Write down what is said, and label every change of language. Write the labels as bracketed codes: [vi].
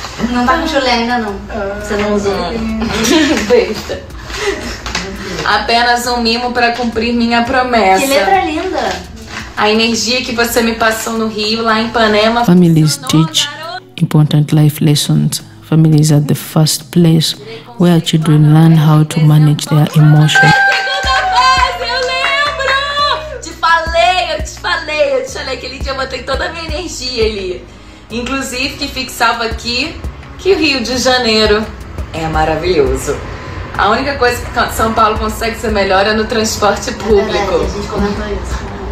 [pt] Não tá com chulé ainda, não. Você não usou. Não. Deixa. Apenas um mimo para cumprir minha promessa. Que letra linda! A energia que você me passou no Rio, lá em Ipanema. [en] Families teach important life lessons. Families are the first place where children learn how to manage their emotions. [pt] Segunda fase, eu lembro! Te falei. Aquele dia eu botei toda a minha energia ali. Inclusive, que fique salvo aqui, que o Rio de Janeiro é maravilhoso. A única coisa que São Paulo consegue ser melhor é no transporte público. A gente comentou isso.